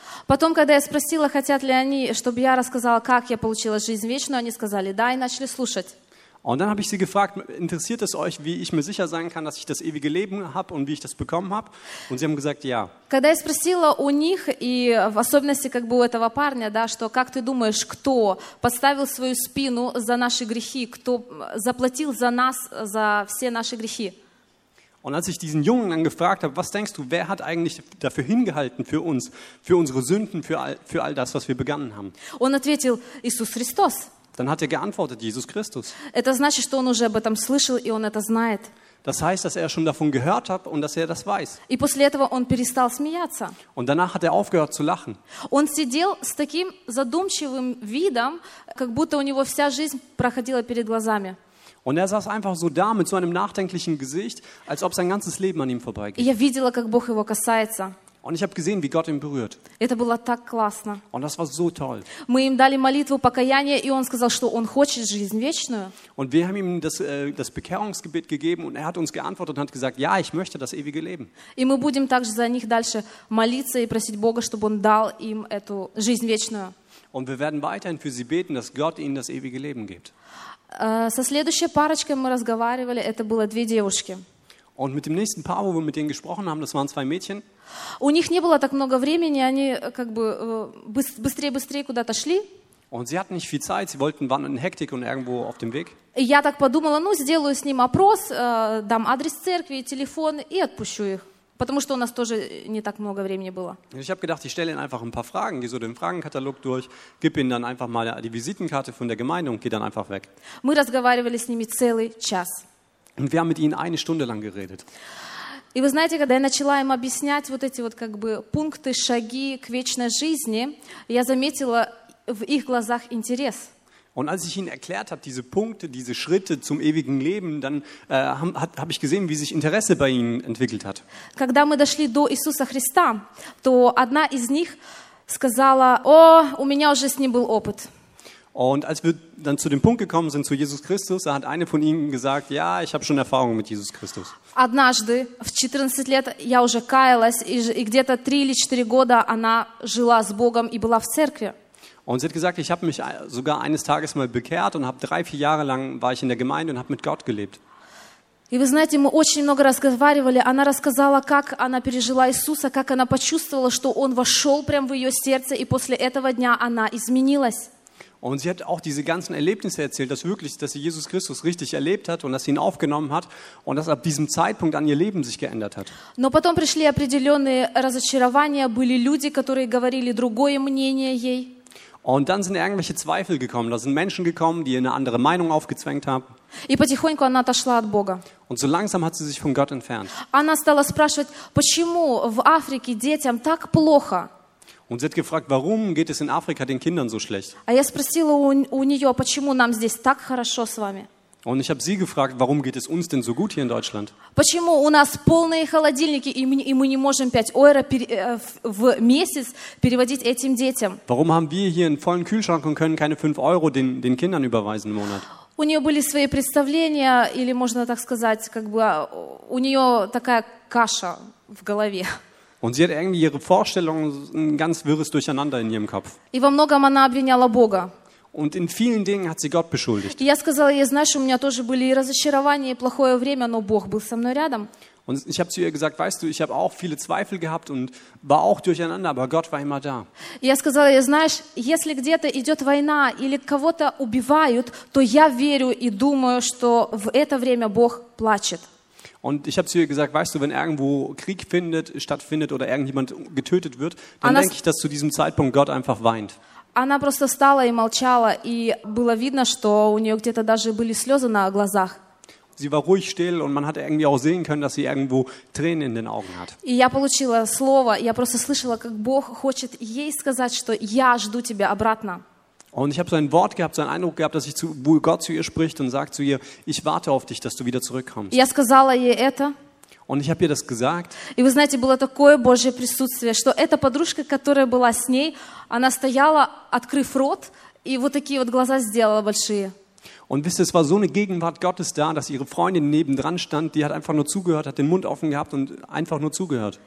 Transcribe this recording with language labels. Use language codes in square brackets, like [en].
[ru] Потом, когда я спросила, хотят ли они, чтобы я рассказала, как я получила жизнь вечную, они сказали да и начали слушать. [de] Und dann habe ich sie gefragt, interessiert es euch, wie ich mir sicher sein kann, dass ich das ewige Leben habe und wie ich das bekommen habe? Und sie haben gesagt, ja. [ru] Когда я спросила у них и в особенности как бы у этого парня, да, что как ты думаешь, кто поставил свою спину за наши грехи, кто заплатил за нас за все наши грехи? [de] Und als ich diesen Jungen dann gefragt habe, was denkst du, wer hat eigentlich dafür hingehalten für uns, für unsere Sünden, für all das, was wir begangen haben? [ru] Он ответил: Иисус Христос. [de] Dann hat er geantwortet, Jesus Christus. [ru] Это значит, что он уже об этом слышал и он это знает. [de] Das heißt, dass er schon davon gehört hat und dass er das weiß. [ru] И после этого он перестал смеяться. [de] Und danach hat er aufgehört zu lachen. [ru] Он сидел с таким задумчивым видом, как будто у него вся жизнь проходила перед глазами. [de] Und er saß einfach so da mit so einem nachdenklichen Gesicht, als ob sein ganzes Leben an ihm vorbeiging. [ru] Я видела, как Бог его касается. [de] Und ich habe gesehen, wie Gott ihn berührt. [ru] Это было так классно. [de] Und das war so toll. [ru] Мы им дали молитву покаяния, и он сказал, что он хочет жизнь вечную. [de] Und wir haben ihm das Bekehrungsgebet gegeben und er hat uns geantwortet und hat gesagt, ja, ich möchte das ewige Leben. [ru] И мы будем также за них дальше молиться и просить Бога, чтобы он дал им эту жизнь вечную. [de] Und wir werden weiterhin für sie beten, dass Gott ihnen das ewige Leben gibt. [ru] Со следующей парочкой мы разговаривали, это было две девушки. [de] Und mit dem nächsten Paar, wo wir mit denen gesprochen haben, das waren zwei Mädchen. [ru] У них не было так много времени, они как бы быстрее куда-то шли. [de] Und sie hatten nicht viel Zeit, sie wollten waren in Hektik und irgendwo auf dem Weg. [ru] И я так подумала, ну сделаю с ним опрос, дам адрес церкви, телефон и отпущу их, потому что у нас тоже не так много времени было. [de] Ich habe gedacht, ich stelle ihnen einfach ein paar Fragen, gehe so den Fragenkatalog durch, gib ihnen dann einfach mal die Visitenkarte von der Gemeinde und gehe dann einfach weg. [ru] Мы разговаривали с ними целый час. [de] Und wir haben mit ihnen eine Stunde lang geredet. [ru] И вы знаете, когда я начала им объяснять вот эти вот как бы пункты, шаги к вечной жизни, я заметила в их глазах интерес. [de] Und als ich ihnen erklärt habe, diese Punkte, diese Schritte zum ewigen Leben, dann habe ich gesehen, wie sich Interesse bei ihnen entwickelt hat. [ru] Когда мы дошли до Иисуса Христа, то одна из них сказала: «О, у меня уже с ним был опыт». [de] Und als wir dann zu dem Punkt gekommen sind, zu Jesus Christus, da hat eine von ihnen gesagt, ja, ich habe schon Erfahrungen mit Jesus Christus. [ru] Однажды, в 14 лет, я уже каялась, и где-то 3 или 4 года она жила с Богом и была в церкви. [de] Und sie hat gesagt, ich habe mich sogar eines Tages mal bekehrt und habe 3-4 Jahre lang war ich in der Gemeinde und habe mit Gott gelebt. [ru] И вы знаете, мы очень много разговаривали. Она рассказала, как она пережила Иисуса, как она почувствовала, что Он вошел прямо в ее сердце, и после этого дня она изменилась. [de] Und sie hat auch diese ganzen Erlebnisse erzählt, dass wirklich, dass sie Jesus Christus richtig erlebt hat und dass sie ihn aufgenommen hat und dass ab diesem Zeitpunkt an ihr Leben sich geändert hat. [ru] Но потом пришли определенные разочарования, были люди, которые говорили другое мнение ей. [de] Und dann sind irgendwelche Zweifel gekommen, da sind Menschen gekommen, die ihr eine andere Meinung aufgezwängt haben. [ru] И потихоньку она отошла от Бога. [de] Und so langsam hat sie sich von Gott entfernt. [ru] Она стала спрашивать, почему в Африке детям так плохо? [de] Und sie hat gefragt, warum geht es in Afrika den Kindern so schlecht? [ru] А я спросила у нее, почему нам здесь так хорошо с вами? [de] Und ich habe sie gefragt, warum geht es uns denn so gut hier in Deutschland? [ru] Почему у нас полные холодильники и мы не можем 5 евро в месяц переводить этим детям? [de] Warum haben wir hier einen vollen Kühlschrank und können keine 5 Euro den Kindern überweisen im Monat? [ru] У нее были свои представления или можно так сказать, как бы у нее такая каша в голове. [de] Und sie hat irgendwie ihre Vorstellungen ganz wirres durcheinander in ihrem Kopf. [ru] И во многом она обвиняла Бога. [de] Und in vielen Dingen hat sie Gott beschuldigt. [ru] И я сказала ей, знаешь, у меня тоже были и разочарования, и плохое время, но Бог был со мной рядом. [de] Und ich habe zu ihr gesagt, weißt du, ich habe auch viele Zweifel gehabt und war auch durcheinander, aber Gott war immer da. [ru] Я сказала ей, знаешь, если где-то идет война или кого-то убивают, то я верю и думаю, что в это время Бог плачет. [de] Und ich habe zu ihr gesagt, weißt du, wenn irgendwo Krieg findet, stattfindet oder irgendjemand getötet wird, dann denke ich, dass zu diesem Zeitpunkt Gott einfach weint. [ru] Она просто стала и молчала, и было видно, что у нее где-то даже были слезы на глазах. [de] Sie war ruhig still und man hat irgendwie auch sehen können, dass sie irgendwo Tränen in den Augen hat. [ru] И я получила слово, я просто слышала, как Бог хочет ей сказать, что я жду тебя обратно. [de] Und ich habe so ein Wort gehabt, so einen Eindruck gehabt, dass ich zu, wo Gott zu ihr spricht und sagt zu ihr, ich warte auf dich, dass du wieder zurückkommst. [ru] Я сказала ей это. [de] Und ich habe ihr das gesagt. [ru] И вы знаете, было такое Божье присутствие, что эта подружка, которая была с ней, она стояла, открыв рот, и вот такие вот глаза сделала большие. [de] Und wisst ihr, es war so eine Gegenwart Gottes da, dass ihre Freundin nebendran stand, die hat einfach nur zugehört, hat den Mund offen gehabt und einfach nur zugehört.